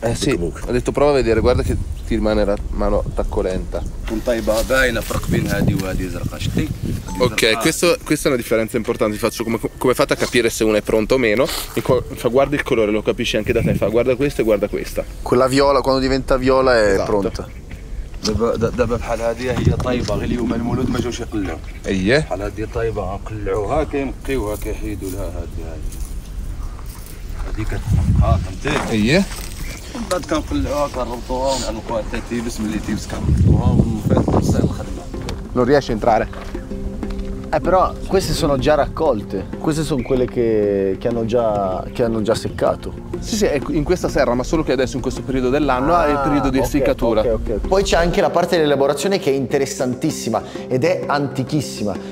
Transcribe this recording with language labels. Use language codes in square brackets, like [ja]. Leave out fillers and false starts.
[it] Sì, ho detto prova a vedere, guarda che ti rimane la mano taccolenta. Ok, questa è una differenza importante, faccio come fate a capire se uno è pronto o meno. E guarda il colore, lo capisci anche da te, fa guarda questa e guarda questa. Quella viola, quando diventa viola è esatto. Pronta. [ar] دابا بحال هذه هي طايبه اليوم المولود ما جاوش يقلعوا اييه بحال هذه طايبه نقلعوها كينقيوها كيحيدوا لها هذه كتبقى فهمتي اييه من بعد كنقلعوها كنربطوها ونعلقوها حتى تيبس ملي تيبس كنربطوها ونفيد توصل الخدمه [it] non riesce a entrare. Però queste sono già raccolte, queste sono quelle che hanno già seccato. Sì, sì, è in questa serra, ma solo che adesso in questo periodo dell'anno è il periodo di essiccatura. Okay. Poi c'è anche la parte dell'elaborazione che è interessantissima ed è antichissima.